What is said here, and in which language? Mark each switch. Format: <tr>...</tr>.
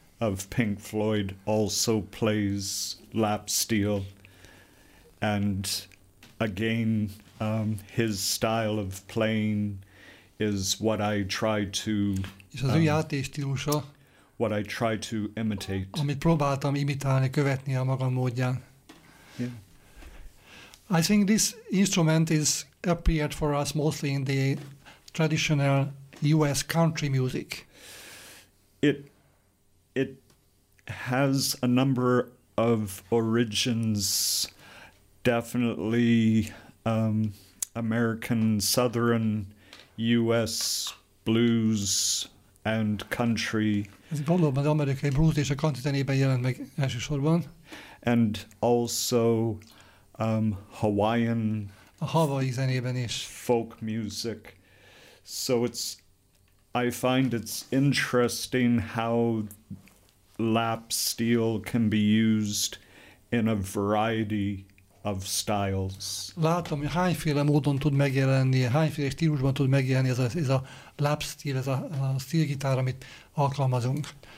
<en>Of Pink Floyd also plays lap steel, and again his style of playing is what I try to.</en> <hu>És az ő játékstílusa.</hu> <en>What I try to imitate.</en> <hu>Amit próbáltam imitálni, követni a magam módján.</hu> <en>Yeah. I think this instrument is appeared for us mostly in the traditional U.S. country music. It has a number of origins, definitely American Southern, U.S. blues and country.</en> <hu>Ez valóban az amerikai blues és a country zenében jelent meg elsősorban.</hu> <en>And also Hawaiian.</en> <hu>A Hawaii zenében is.</hu> <en>Folk music. So I find it's interesting how lap steel can be used in a variety of styles.</en> <hu>Látom, hogy hányféle módon tud megjelenni, hányféle stílusban tud megjelenni ez a lap steel, ez a steel gitár, amit alkalmazunk.</hu>